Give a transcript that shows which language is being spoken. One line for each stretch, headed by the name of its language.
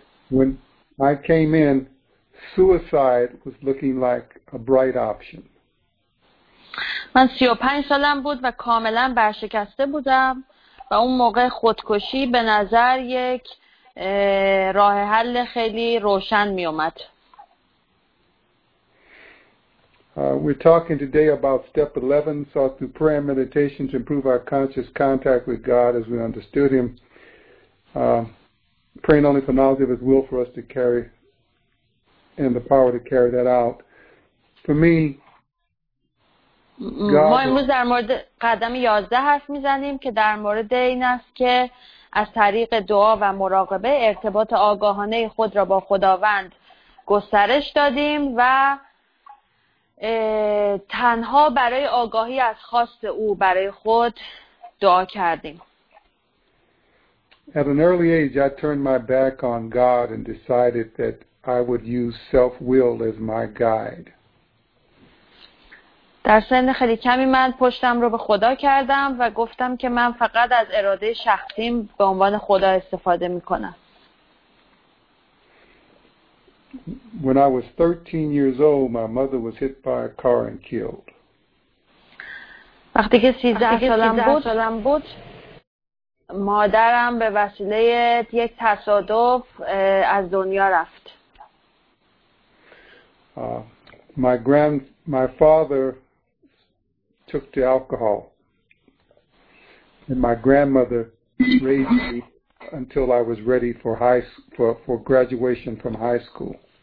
English: When I came in, suicide was looking like a bright option.
Persian: من 35 سالم بود و کاملا برشکسته بودم و اون موقع خودکشی به نظر یک راه حل خیلی روشن می اومد.
English: We're talking today about step 11, thought through prayer and meditation to improve our conscious contact with God as we understood him. Praying only for knowledge of his will for us to carry and the power to carry that out. For me,
Persian: ما امروز در مورد قدم 11 حرف میزنیم که در مورد این است که از طریق دعا و مراقبه ارتباط آگاهانه خود را با خداوند گسترش دادیم و تنها برای آگاهی از خواست او برای خود دعا کردیم.
English: At an early age, I turned my back on God and decided that I would use self-will as my guide.
Persian: در سن خیلی کمی من پشتم رو به خدا کردم و گفتم که من فقط از اراده شخصیم به عنوان خدا استفاده میکنم.
English: When I was 13 years old, my mother was hit by a car and killed.
Persian: وقتی که 13 سالم بود مادرم به وسیله یک تصادف از دنیا رفت.
English: My father took to alcohol, and my grandmother raised me until I was ready for graduation from high school.